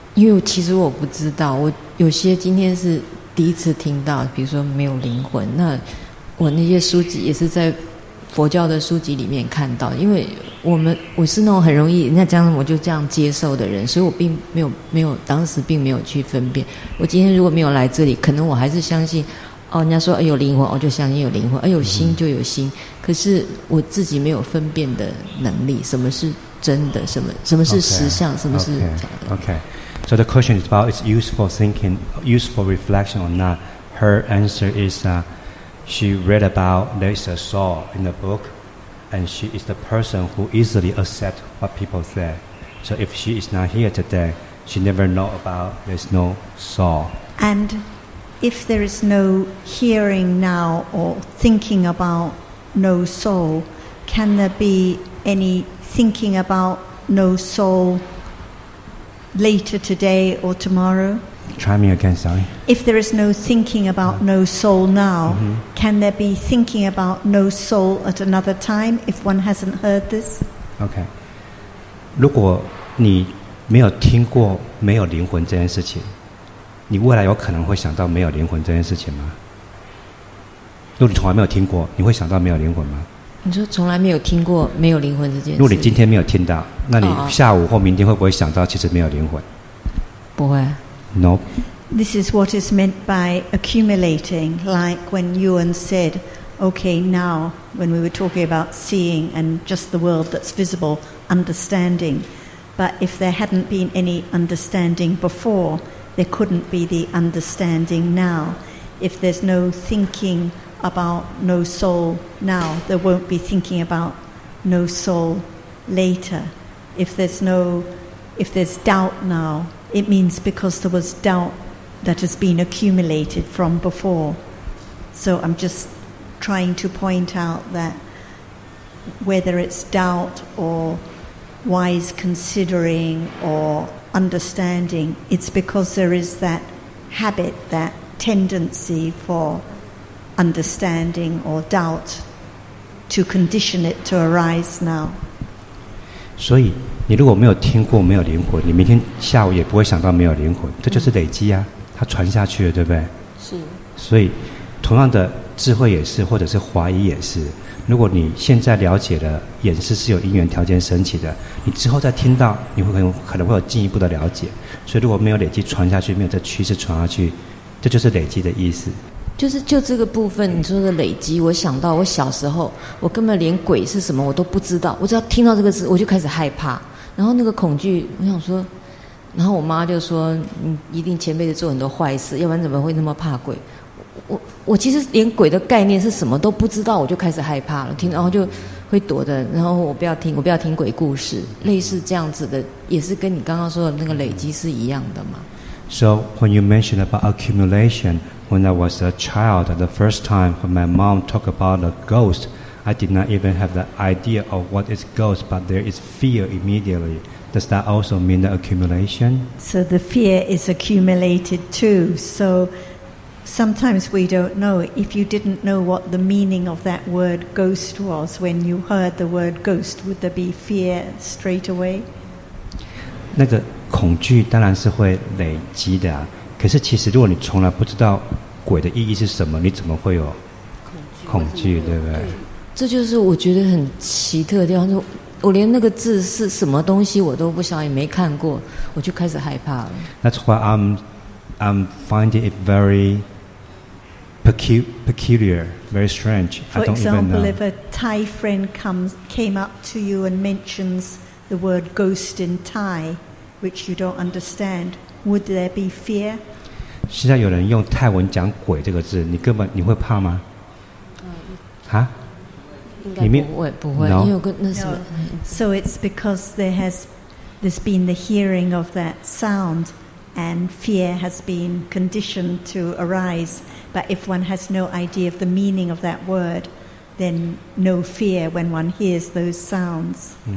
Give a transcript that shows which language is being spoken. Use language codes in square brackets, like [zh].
[zh] 因为其实我不知道，我有些今天是第一次听到，比如说没有灵魂，那我那些书籍也是在佛教的书籍里面看到，因为我是那种很容易人家讲什么我就这样接受的人，所以我并没有当时并没有去分辨。我今天如果没有来这里，可能我还是相信哦，人家说有灵魂，我就相信有灵魂，有心就有心。可是我自己没有分辨的能力，什么是真的，什么是实相， [en] okay, [zh] 什么是假的。 [en] Okay, okay. So the question is about its useful thinking, useful reflection or not. Her answer is she read about there is a soul in the book and she is the person who easily accept what people say. So if she is not here today, she never know about there is no soul. And if there is no hearing now or thinking about no soul, can there be any thinking about no soul? Later today or tomorrow? Try me again, sorry. If there is no thinking about no soul now, can there be thinking about no soul at another time if one hasn't heard this? Okay. [zh] 如果你没有听过没有灵魂这件事情，你未来有可能会想到没有灵魂这件事情吗？如果你从来没有听过，你会想到没有灵魂吗？你说从来没有听过没有灵魂这件事。如果你今天没有听到，那你下午或明天会不会想到其实没有灵魂？不会。 [en] No. This is what is meant by accumulating, like when Ewan said, "Okay, now when we were talking about seeing and just the world that's visible, understanding, but if there hadn't been any understanding before, there couldn't be the understanding now. If there's no thinking." About no soul now, there won't be thinking about no soul later. If there's doubt now, it means because there was doubt that has been accumulated from before. So I'm just trying to point out that whether it's doubt or wise considering or understanding, it's because there is that habit, that tendency for understanding or doubt to condition it to arise now. [zh] 所以你如果没有听过没有灵魂，你明天下午也不会想到没有灵魂，这就是累积啊，它传下去了，对不对？是。所以同样的智慧也是，或者是怀疑也是，如果你现在了解了眼识是有因缘条件升起的，你之后再听到你会可能会有进一步的了解。所以如果没有累积传下去，没有这趋势传下去，这就是累积的意思。就是就这个部分你说的累积，我想到我小时候我根本连鬼是什么我都不知道，我只要听到这个字我就开始害怕，然后那个恐惧，我想说，然后我妈就说你一定前辈子做很多坏事，要不然怎么会那么怕鬼。我其实连鬼的概念是什么都不知道，我就开始害怕了，听然后就会躲着，然后我不要听鬼故事，类似这样子的，也是跟你刚刚说的那个累积是一样的嘛。 [en] So when you mentioned about accumulation, when I was a child, the first time when my mom talked about a ghost, I did not even have the idea of what is ghost, but there is fear immediately. Does that also mean the accumulation? So the fear is accumulated too. So sometimes we don't know. If you didn't know what the meaning of that word ghost was, when you heard the word ghost, would there be fear straight away? [zh] 那个恐惧当然是会累积的啊。可是其实如果你从来不知道鬼的意义是什么，你怎么会有恐惧，对不对？这就是我觉得很奇特的地方，我连那个字是什么东西我都不晓得，也没看过，我就开始害怕了。 [en] That's why I'm finding it very peculiar, very strange. For example, if a Thai friend came up to you and mentions the word ghost in Thai, which you don't understand, would there be fear? [zh] 现在有人用泰文讲鬼这个字，你会怕吗？啊？应该不会，不会，因为有个那什么。 [en] So it's because there's been the hearing of that sound. And fear has been conditioned to arise. But if one has no idea of the meaning of that word, then no fear when one hears those sounds.